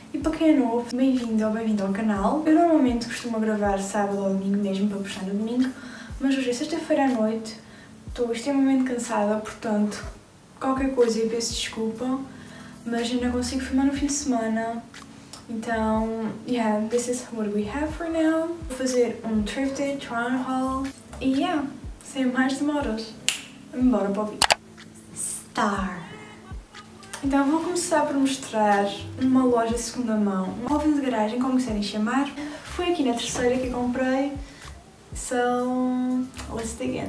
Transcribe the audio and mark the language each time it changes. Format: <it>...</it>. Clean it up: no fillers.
<pt>E para quem é novo, bem-vindo ou bem-vindo ao canal. Eu normalmente costumo gravar sábado ou domingo mesmo para postar no domingo, mas hoje é sexta-feira à noite, estou extremamente cansada, portanto, qualquer coisa eu peço desculpa, mas ainda consigo filmar no fim de semana.</pt> <en>Então, yeah, this is what we have for now.</en> <pt>Vou fazer um thrifted try-on haul. E yeah, sem mais demoras, bora para o vídeo. Star. Então vou começar por mostrar uma loja de segunda mão, um móvel de garagem, como quiserem chamar. Foi aqui na terceira que comprei. So, let's dig in.</pt>